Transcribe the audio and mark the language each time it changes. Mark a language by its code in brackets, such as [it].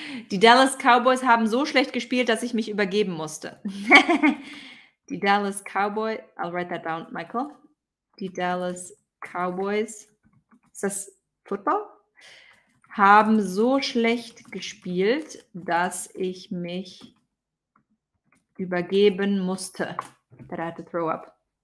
[de] Die Dallas Cowboys haben so schlecht gespielt, dass ich mich übergeben musste. [en] Die Dallas Cowboys, I'll write that down, Michael. [de] Die Dallas Cowboys, ist das Football? Haben so schlecht gespielt, dass ich mich übergeben musste. [en] That I had to throw up.